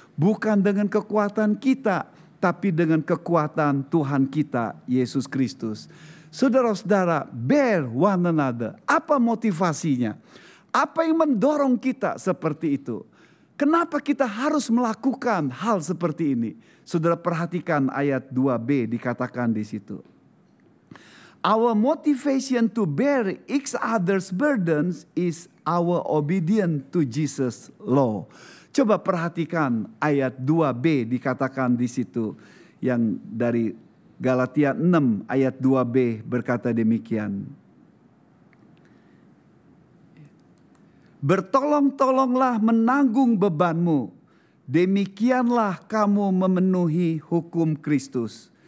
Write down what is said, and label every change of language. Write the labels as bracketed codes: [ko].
[id] Bukan dengan kekuatan kita, tapi dengan kekuatan Tuhan kita, Yesus Kristus. Saudara-saudara, [en] bear one another. [id] Apa motivasinya? Apa yang mendorong kita seperti itu? Kenapa kita harus melakukan hal seperti ini? Saudara perhatikan ayat 2b dikatakan di situ. [en] Our motivation to bear each other's burdens is our obedience to Jesus' law. [id] Coba perhatikan ayat 2b dikatakan di situ. Yang dari Galatia 6 ayat 2b berkata demikian. Bertolong-tolonglah menanggung bebanmu. Demikianlah kamu memenuhi hukum Kristus.